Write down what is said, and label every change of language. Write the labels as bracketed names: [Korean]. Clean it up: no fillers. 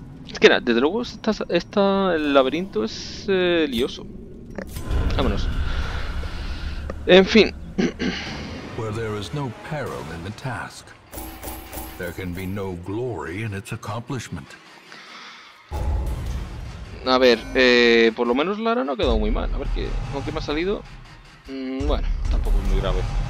[Spanish] Es que desde luego está el laberinto es lioso. Vámonos. En fin. [English] Where there is no peril in the task, there can be no glory in its accomplishment. [Spanish] A ver, por lo menos Lara no ha quedado muy mal. A ver qué, con qué me ha salido. Bueno, tampoco es muy grave.